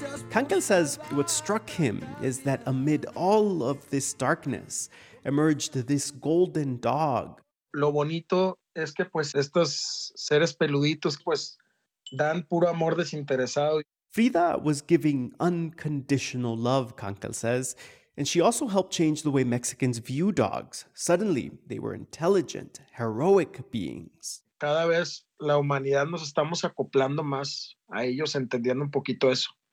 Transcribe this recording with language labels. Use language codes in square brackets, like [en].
[en] Kankel says what struck him is that amid all of this darkness emerged this golden dog. [es] Lo bonito es que pues estos seres peluditos pues dan puro amor desinteresado. [en] Frida was giving unconditional love, Kankel says, and she also helped change the way Mexicans view dogs. Suddenly, they were intelligent, heroic beings. [es] Cada vez la humanidad nos estamos acoplando más a ellos, entendiendo un poquito eso.